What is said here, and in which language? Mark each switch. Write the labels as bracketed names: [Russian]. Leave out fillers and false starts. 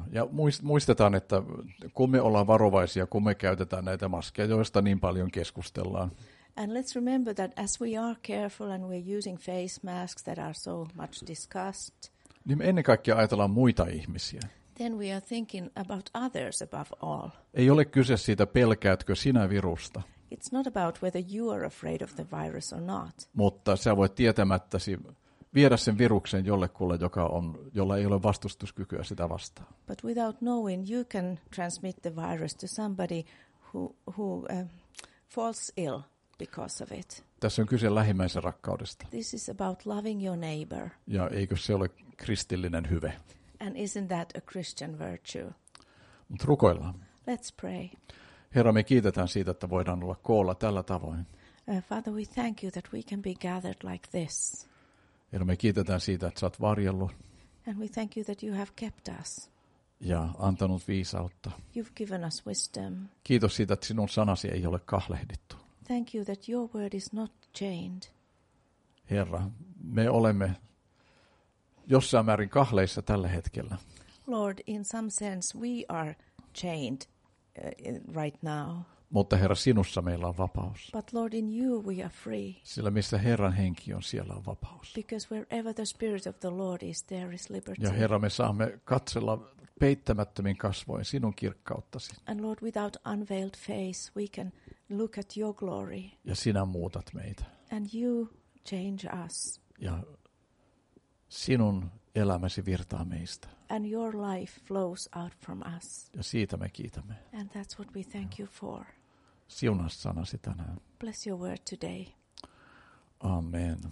[Finnish] Ja muistetaan, että kun me ollaan varovaisia, kun me käytetään näitä maskeja, joista niin paljon keskustellaan. [English] And let's remember that as we are careful and we're using face masks that are so much discussed. [Finnish] Niin me ennen kaikkea ajatellaan muita ihmisiä. [English] Then we are thinking about others above all. [Finnish] Ei ole kyse siitä, pelkäätkö sinä virusta. [English] It's not about whether you are afraid of the virus or not. [Finnish] Mutta sä voit tietämättäsi viedä sen viruksen jollekulle, jolla ei ole vastustuskykyä sitä vastaan. [English] But without knowing, you can transmit the virus to somebody who falls ill because of it. [Finnish] Tässä on kyse lähimmäisen rakkaudesta. [English] This is about loving your neighbor. [Finnish] Ja eikö se ole kristillinen hyve? [English] And isn't that a Christian virtue? [Finnish] Mut rukoillaan. [English] Let's pray. [Finnish] Herra, me kiitetään siitä, että voidaan olla koolla tällä tavoin. [English] Father, we thank you that we can be gathered like this. [Finnish] Herra, me kiitetään siitä, että sä oot varjellut. [English] And we thank you that you have kept us. [Finnish] Ja antanut viisautta. [English] You've given us wisdom. [Finnish] Kiitos siitä, että sinun sanasi ei ole kahlehdittu. [English] Thank you that your word is not chained. [Finnish] Herra, me olemme jossain määrin kahleissa tällä hetkellä. [English] Lord, in some sense we are chained. Right now. [Finnish] Mutta Herra, sinussa meillä on vapaus. [English] But Lord, in you we are free. [Finnish] Sillä missä Herran henki on, siellä on vapaus. [English] Because wherever the spirit of the Lord is, there is liberty. [Finnish] Ja Herra, me saamme katsella peittämättömin kasvoin sinun kirkkauttasi. [English] And Lord, without unveiled face, we can look at your glory. [Finnish] Ja sinä muutat meitä. [English] And you change us. [Finnish] Ja sinun elämäsi virtaa meistä. [English] And your life flows out from us. [Finnish] Ja siitä me kiitämme. [English] And that's what we thank you for. [Finnish] Siunaa sanasi tänään. [English] Bless your word today. Amen.